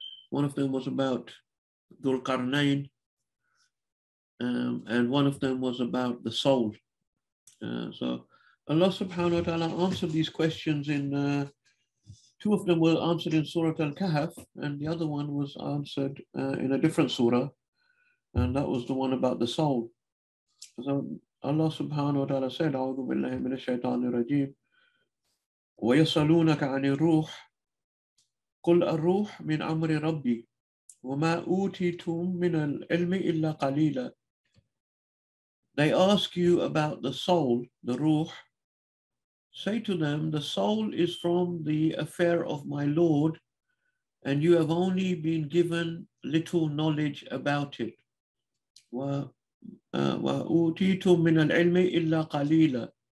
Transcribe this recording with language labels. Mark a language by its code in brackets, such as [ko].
[en] One of them was about Dhul Qarnayn. And one of them was about the soul. So Allah subhanahu wa ta'ala answered these questions in, two of them were answered in Surah Al-Kahf, and the other one was answered in a different surah, and that was the one about the soul. So Allah subhanahu wa ta'ala said, [ar] A'udhu billahi minash shaitanir rajim, وَيَسَلُونَكَ عَنِ الرُّوحِ قُلْ الرُّوحِ مِنْ عَمْرِ رَبِّي وَمَا أُوتِيتُمْ مِنَ الْعِلْمِ إِلَّا قَلِيلًا. [en] They ask you about the soul, the ruh. Say to them, the soul is from the affair of my Lord, and you have only been given little knowledge about it. [ar] وَأُوتِيتُمْ مِنَ الْعِلْمِ إِلَّا قَلِيلًا.